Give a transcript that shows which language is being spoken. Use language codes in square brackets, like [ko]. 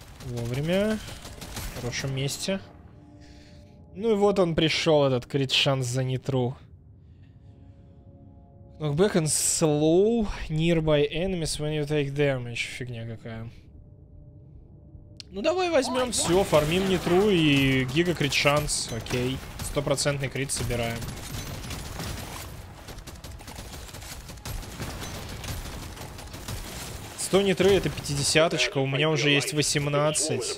[ru] Вовремя. В хорошем месте. Ну и вот он пришел, этот крит шанс за нитру. [en] Knockback and slow nearby enemies when you take damage. [ru] Фигня какая. Ну давай возьмем все, фармим нитру и гига крит шанс, окей. 100% крит собираем. Сто нитры это 50-ка, у меня уже есть 18.